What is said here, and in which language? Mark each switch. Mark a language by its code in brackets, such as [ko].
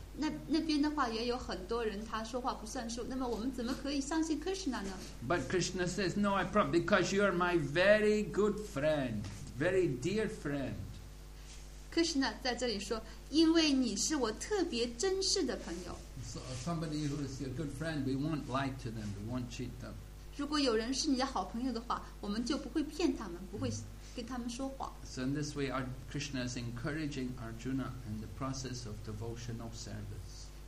[zh] 那边的话也有很多人他说话不算数。那么我们怎么可以相信 Krishna 呢？ [en] But Krishna says, no, I promise, because you are my very good friend, very dear friend. [zh] Krishna 在这里说, 因为你是我特别珍视的朋友。 [en] So somebody who is your good friend, we won't lie to them, we won't cheat them. [zh] 如果有人是你的好朋友的话, 我们就不会骗他们, 不会跟他们说话。 [en] So in this way, Krishna is encouraging Arjuna in the process of devotional service.